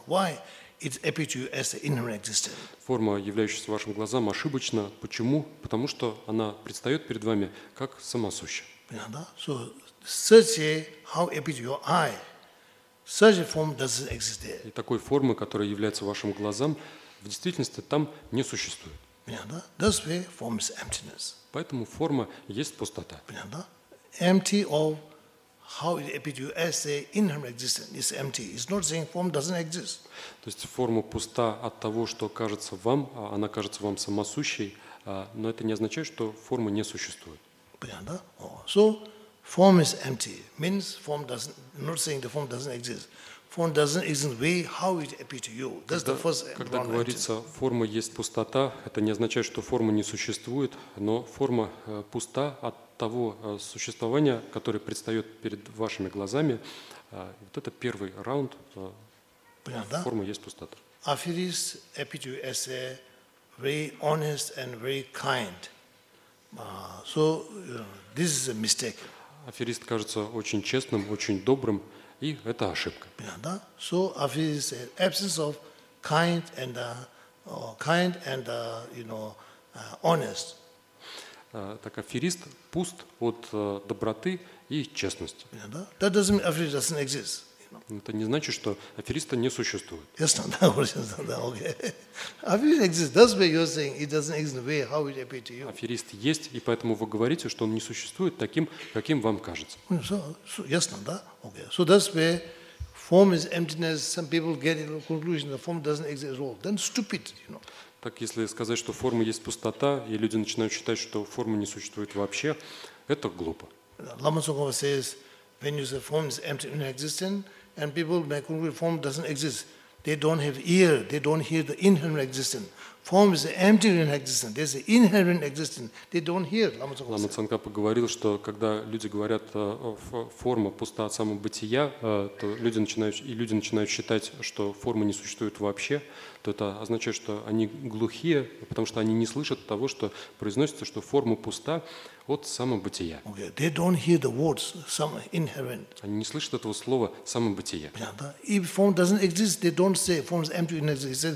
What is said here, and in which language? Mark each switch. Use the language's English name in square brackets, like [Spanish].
[English] Why it appears to you as the inherent existence? [Russian] Форма, являющаяся вашим глазам, ошибочна. Почему? Потому что она предстает перед вами как самосуща. Понятно? [English] So such a how appears to your eye, such a form doesn't exist there. [Russian] И такой формы, которая является вашим глазам, в действительности там не существует. Понятно? [English] That's why form is emptiness. [Russian] Поэтому форма есть пустота. Понятно? [English] Empty of how it appears to you as a inherent existence is empty. It's not saying form doesn't exist. [Russian] То есть форма пуста от того, что кажется вам, она кажется вам самосущей, но это не означает, что форма не существует. Понятно? [English] Oh. So form is empty means form doesn't. Not saying the form doesn't exist. Form doesn't exist the way how it appears to you. That's [Russian] когда, [English] the first. [Russian] Когда говорится форма есть пустота, это не означает, что форма не существует, но форма пуста от того существования, которое предстает перед вашими глазами, вот это первый раунд. Понятно? Форма есть пустота. [English] Aphiris appears to you as a very honest and very kind. So this is a mistake. [Russian] Аферист кажется очень честным, очень добрым, и это ошибка. Понятно? [English] So aphiris absence of kind and kind and you know honest. [Russian] Так аферист пуст от доброты и честности. [English] Yeah, that doesn't mean aphiris doesn't exist. You know? [Russian] Это не значит, что афериста не существует. [English] Yes, no, that's not that. Okay. Aphiris exists. That's why you're saying it doesn't exist the way how it appears to you. [Russian] Аферист есть, и поэтому вы говорите, что он не существует таким, каким вам кажется. [English] So yes, no, that. Okay. So that's where form is emptiness. Some people get the conclusion that form doesn't exist at all. Then stupid, you know. [Russian] Так если сказать, что форма есть пустота, и люди начинают считать, что формы не существует вообще, это глупо. [English] Lama Tsongkhapa says, when you say form is empty, inexistent, and people make conclusion form doesn't exist, they don't have ear, they don't hear the inherent existence. Form is empty, inexistent. There's an inherent existence. They don't hear. Lama Tsongkhapa. [Russian] Lama Tsongkhapa говорил, что когда люди говорят, форма пуста от самобытия, то люди начинают считать, что формы не существуют вообще. То это означает, что они глухие, потому что они не слышат того, что произносится, что форма пуста от самобытия. [English] Okay. They don't hear the words, some inherent. [Russian] Они не слышат этого слова самобытие. [English] If form doesn't exist, they don't say form is empty, inexistent.